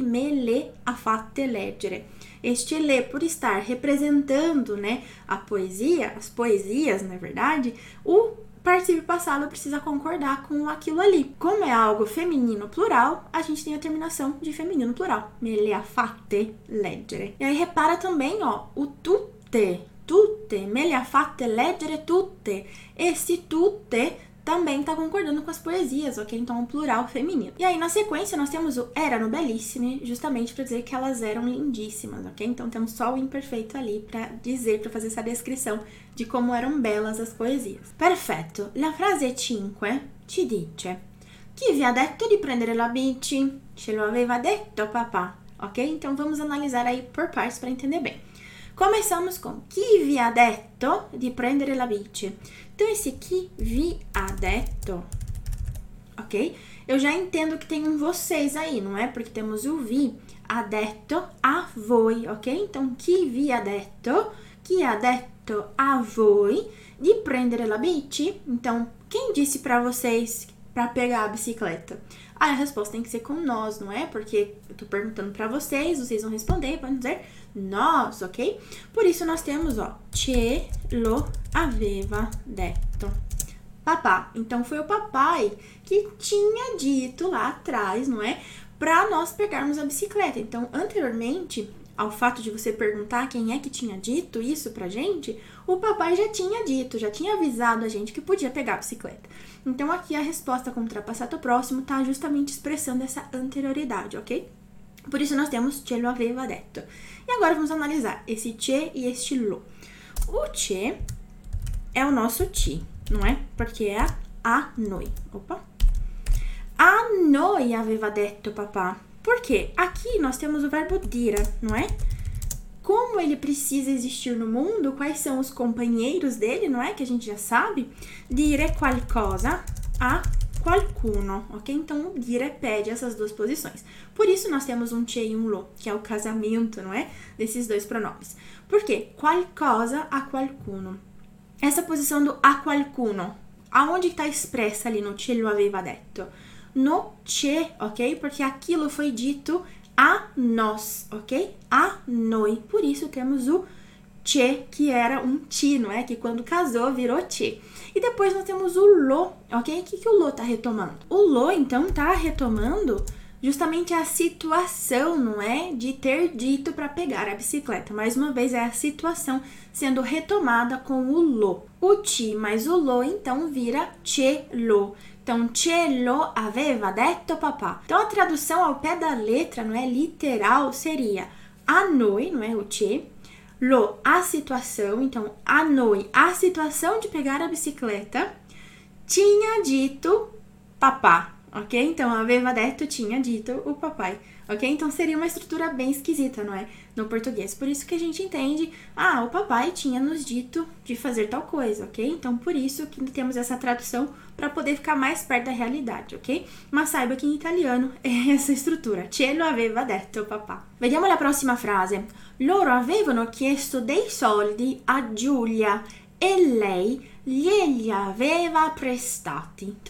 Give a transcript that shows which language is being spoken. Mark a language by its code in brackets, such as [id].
[it] Me le ha fatte leggere. [pt] Este le, por estar representando, né, a poesia, as poesias, na verdade, o participio passado precisa concordar com aquilo ali. Como é algo feminino plural, a gente tem a terminação de feminino plural. [it] Me le ha fatte leggere. [pt] E aí repara também, ó, o tutte. [it] Tutte. Me le ha fatte leggere tutte. [pt] Esse tutte também está concordando com as poesias, ok? Então, um plural feminino. E aí, na sequência, nós temos o [it] erano bellissime, [pt] justamente para dizer que elas eram lindíssimas, ok? Então, temos só o imperfeito ali para dizer, para fazer essa descrição de como eram belas as poesias. [it] Perfetto. La frase 5 ci dice: Chi vi ha detto di prendere la bici? Ce lo aveva detto papà, ok? [pt] Então, vamos analisar aí por partes para entender bem. Começamos com [it] chi vi ha detto di prendere la bici? [pt] Então, esse [it] chi vi ha detto, ok? [pt] Eu já entendo que tem um vocês aí, não é? Porque temos o [it] vi, ha detto a voi, ok? Então, chi ha detto a voi di prendere la bici? [pt] Então, quem disse para vocês para pegar a bicicleta? Aí a resposta tem que ser com nós, não é? Porque eu tô perguntando para vocês, vocês vão responder, vão dizer nós, ok? Por isso nós temos, ó, [it] ce lo aveva detto. [pt] Papá. Então foi o papai que tinha dito lá atrás, não é? Para nós pegarmos a bicicleta. Então, anteriormente ao fato de você perguntar quem é que tinha dito isso pra gente, o papai já tinha dito, já tinha avisado a gente que podia pegar a bicicleta. Então, aqui a resposta contra passato próximo está justamente expressando essa anterioridade, ok? Por isso nós temos [it] ce lo aveva detto. [pt] E agora vamos analisar esse ce e este lo. O ce é o nosso ti, não é? Porque é [it] a noi. Opa! A noi aveva detto papà. [pt] Porque aqui nós temos o verbo dire, não é? Como ele precisa existir no mundo, quais são os companheiros dele, não é? Que a gente já sabe. [it] Dire qualcosa a qualcuno, ok? [pt] Então, o dire pede essas duas posições. Por isso, nós temos um ce e um lo, que é o casamento, não é? Desses dois pronomes. Por quê? [it] Qualcosa a qualcuno. [pt] Essa posição do a qualcuno, aonde está expressa ali no [it] ce lo aveva detto? [pt] No ce, ok? Porque aquilo foi dito a nós, ok? [it] A noi. [pt] Por isso temos o ce, que era um ti, não é? Que quando casou virou ti. E depois nós temos o lo, ok? O que o lo tá retomando? O lo, então, tá retomando justamente a situação, não é? De ter dito para pegar a bicicleta. Mais uma vez, é a situação sendo retomada com o lo. O ti mais o lo, então, vira ce lo. [it] Então, ce lo aveva detto papà. [pt] Então, a tradução ao pé da letra, não é? Literal, seria a noi, não é? O ce. Lo, a situação. Então, [it] a noi, [pt] a situação de pegar a bicicleta, tinha dito papà. Ok? Então, [it] aveva detto, [pt] tinha dito o papai. Ok? Então, seria uma estrutura bem esquisita, não é? No português. Por isso que a gente entende, ah, o papai tinha nos dito de fazer tal coisa, ok? Então, por isso que temos essa tradução para poder ficar mais perto da realidade, ok? Mas saiba que em italiano é essa estrutura. [it] Ce lo aveva detto papà. Vediamo la prossima frase. Loro avevano chiesto dei soldi a Giulia e lei glieli aveva prestati.